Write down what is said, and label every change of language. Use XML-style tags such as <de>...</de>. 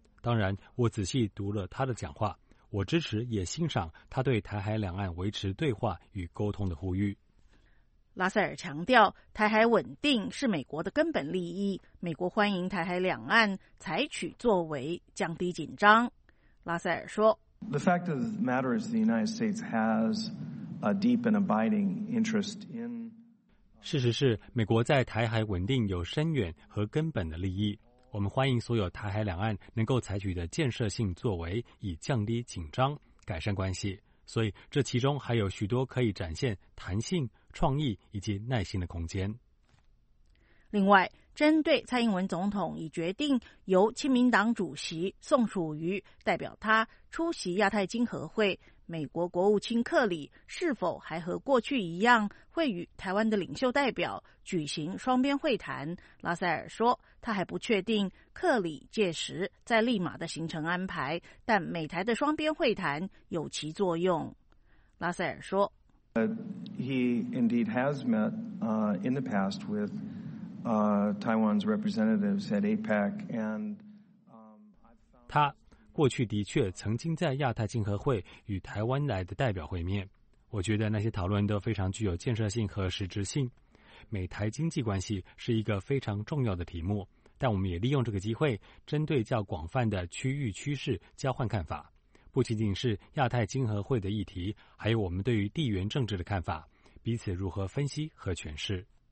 <zh>当然我仔细读了他的讲话，我支持也欣赏他对台海两岸维持对话与沟通的呼吁。拉塞尔强调，台海稳定是美国的根本利益，美国欢迎台海两岸采取作为降低紧张。拉塞尔说，</zh> <en>The fact of the matter is the United States has a deep and abiding interest in</en> <zh>事实是美国在台海稳定有深远和根本的利益，我们欢迎所有台海两岸能够采取的建设性作为以降低紧张，改善关系，所以这其中还有许多可以展现弹性、创意以及耐心的空间。另外，针对蔡英文总统已决定由亲民党主席宋楚瑜代表他出席亚太经合会，美国国务卿克里是否还和过去一样会与台湾的领袖代表举行双边会谈，拉塞尔说他还不确定克里届时在立马的行程安排，但美台的双边会谈有其作用。拉塞尔说，</zh> <en>He indeed has met in the past with Taiwan's representatives at APEC and</en> <zh>他过去的确曾经在亚太经合会与台湾来的代表会面，我觉得那些讨论都非常具有建设性和实质性。美台经济关系是一个非常重要的题目，但我们也利用这个机会针对较广泛的区域趋势交换看法，不仅仅是亚太经合会的议题，还有我们对于地缘政治的看法，彼此如何分析和诠释。</zh>